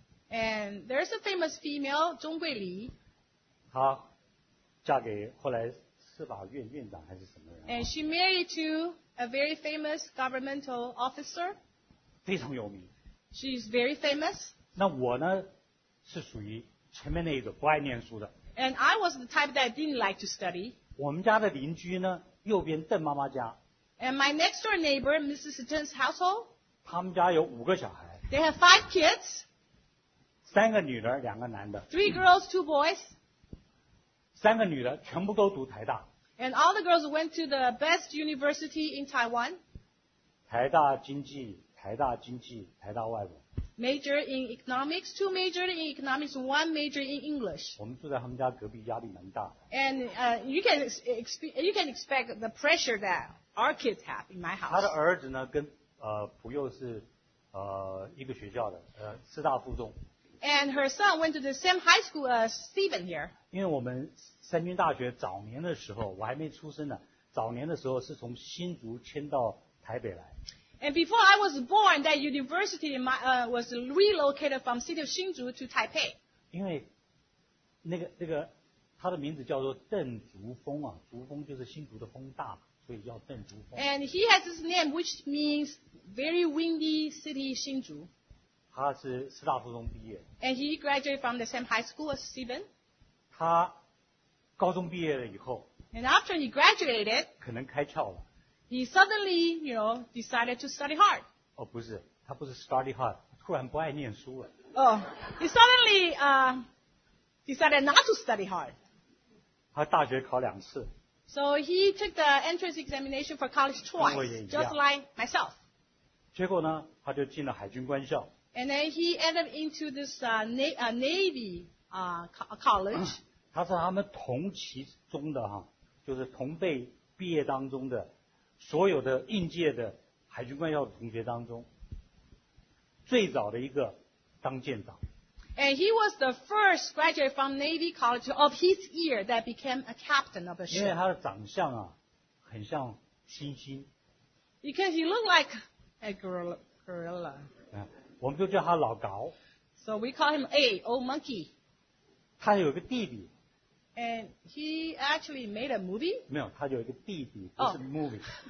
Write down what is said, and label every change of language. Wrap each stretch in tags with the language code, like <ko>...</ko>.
<en>And there is a famous female, 宗贵李</en> <zh>她嫁给后来司法院院长还是什么人</zh> <en>And she married to a very famous governmental officer.</en> <zh>非常有名。</zh> <en>She's very famous.</en> <zh>那我呢，是属于前面那一个不爱念书的。</zh> <en>And I was the type that didn't like to study.</en> <zh>我们家的邻居呢，右边邓妈妈家。</zh> <en>And my next door neighbor, Mrs. Chen's household.</en> <zh>他们家有五个小孩。</zh> <en>They have five kids.</en> <zh>三个女的，两个男的。</zh> <en>Three girls, two boys.</en> <zh>三个女的全部都读台大。</zh> <en>And all the girls went to the best university in Taiwan.</en> <zh>台大经济。台大经济，台大外文。</zh> <en>Major in economics, two major in economics, one major in English.</en> <zh>我们住在他们家隔壁，压力蛮大。</zh> <en>And you can expect the pressure that our kids have in my house.</en> <zh>他的儿子呢，跟普佑是一个学校的，师大附中。</zh> <en>And her son went to the same high school as Stephen here.</en> <zh>因为我们三军大学早年的时候，我还没出生呢。早年的时候是从新竹迁到台北来。</zh> <en>And before I was born, that university was relocated from city of Hsinchu to Taipei.</en> <zh>因为那个他的名字叫做邓竹峰啊，竹峰就是新竹的风大嘛，所以叫邓竹峰。</zh> <en>And he has his name, which means very windy city, Hsinchu.</en> <zh>他是师大附中毕业。</zh> <en>And he graduated from the same high school as Stephen.</en> <zh>他高中毕业了以后。</zh> <en>And after he graduated.</en> <zh>可能开窍了。</zh> <en>He suddenly, you know, decided to study hard.</en> <zh>哦，不是，他不是</zh> <en>study hard，</en> <zh>突然不爱念书了。</zh> <en>He suddenly decided not to study hard.</en> <zh>他大学考两次。</zh> <en>So he took the entrance examination for college twice, just like myself.</en> <zh>结果呢，他就进了海军官校。</zh> <en>And then he ended into this Navy college.</en> <zh>他是他们同期中的哈，就是同辈毕业当中的。所有的应届的海军官校的同学当中，最早的一个当舰长。</zh> <en>And he was the first graduate from Navy College of his year that became a captain of a ship.</en> <zh>因为他的长相啊，很像猩猩。</zh> <en>Because he looked like a gorilla.</en> <zh>我们就叫他老高。</zh> <en>So we call him A, old monkey.</en> <zh>他有一个弟弟。</zh> <en>And he actually made a movie?</en> <zh>没有，他有一个弟弟，不是 movie。</zh>